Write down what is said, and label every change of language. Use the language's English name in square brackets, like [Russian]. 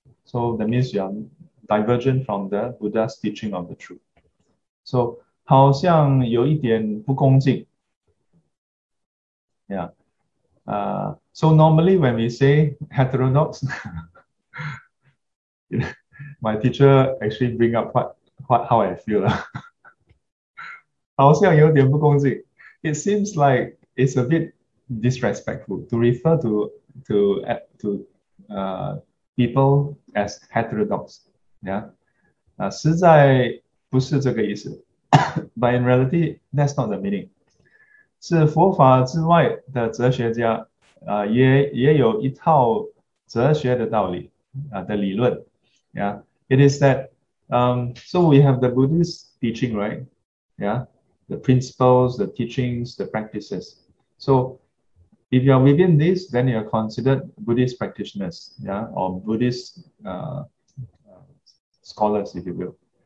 [English] So that means you are divergent from the Buddha's teaching of the truth. [Chinese] So 好像有一点不恭敬. [English] Yeah. So normally when we say heterodox, my teacher actually bring up how I feel. [Chinese] 好像有点不恭敬. [English] It seems like it's a bit disrespectful to refer to people as heterodox. [Chinese] Yeah, 实在不是这个意思. [English] But in reality, that's not the meaning. [Chinese] 是佛法之外的哲学家, 也有一套哲学的道理, 的理论. [English] Yeah. It is that, so we have the Buddhist teaching, right? Yeah, the principles, the teachings, the practices. So if you are within this, then you are considered Buddhist practitioners, yeah, or Buddhist scholars, if you will.